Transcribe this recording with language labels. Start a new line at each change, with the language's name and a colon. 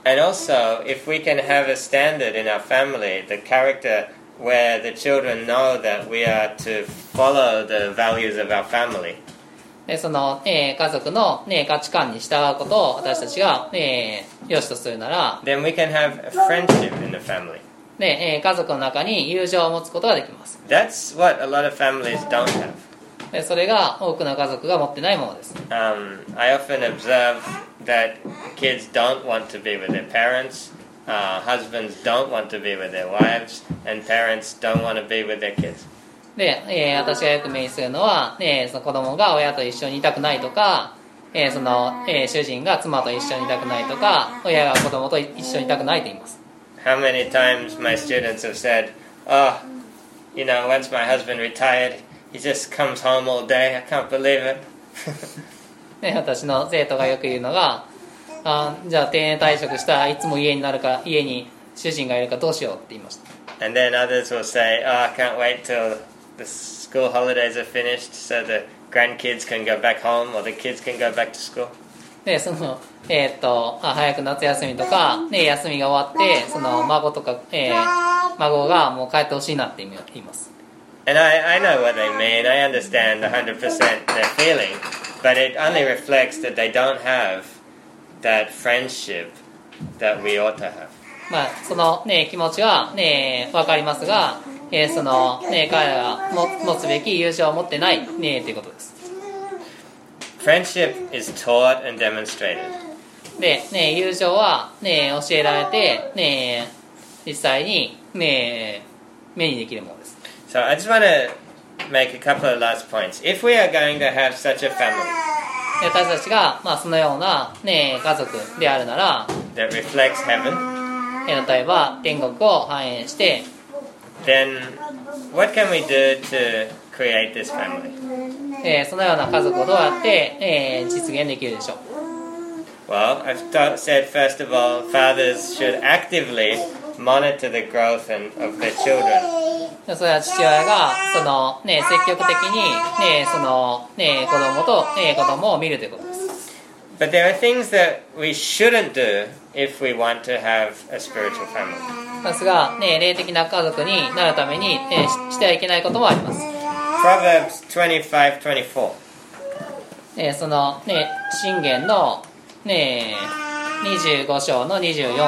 English: And also, if we can have a standard in our family, the character where the children know that we are to follow the values of our family.
Japanese: でその、家族の、ね、価値観に従うことを私たちが、良しとするなら、
English: Then we can have a friendship in the family.
Japanese: で、家族の中に友情を持つことができます。
English: That's what a lot of families don't have.
Japanese: それが多くの家族が持ってないものです。
English: I often observe that kids don't want to be with their parents, husbands don't want to be with their wives, and parents don't want to be with their kids.
Japanese: で、私がよく目にするのは、その子供が親と一緒にいたくないとか、その、主人が妻と一緒にいたくないとか、親が子供と一緒にいたくないと言います。
English: How many times my students have said, oh, you know, once my husband retired,He just comes home all day. I can't believe it.
Japanese: 私の生徒がよく言うのが、あ、じゃあ定年退職したらいつも家になるか、家に主人がいるかどうしようって言いました。
English: And then others will say, oh, I can't wait till the school holidays are finished so the grandkids can go back home or the kids can go back to school.
Japanese: で、その、早く夏休みとか、ね、休みが終わって、その孫とか、孫がもう帰ってほしいなって言います。
English: And I know what they mean. I understand 100% their feeling, but it only reflects that they don't have that friendship that we ought to have.
Japanese: まあ、そのね、気持ちはね、わかりますが、そのね、彼らが持つべき友情を持ってないね、ということです。
English: Friendship is taught and demonstrated.
Japanese: で、ね、友情はね、教えられて、ね、実際にね、目にできるものです。
English: So I just want to make a couple of last points. If we are going to have such a family,
Japanese: 私たちが、まあ、そのような、ね、家族であるなら、
English: that reflects heaven,
Japanese: 例えば天国を反映して、
English: then what can we do to create this family?
Japanese: そのような家族をどうやって、実現できるでしょう?
English: Well, I've said first of all, fathers should actively monitor the growth and of their children.
Japanese: それは父親がその、ね、積極的に、ねそのね、子供と、ね、子供を見るということです。
English: But there are things that we shouldn't do if we want to have a spiritual family.
Japanese: ですが、ね、霊的な家族になるために、ね、してはいけないこともあります。
English: Proverbs 25:24、
Japanese: ね、その、ね、箴言の、ね、25章の24節です。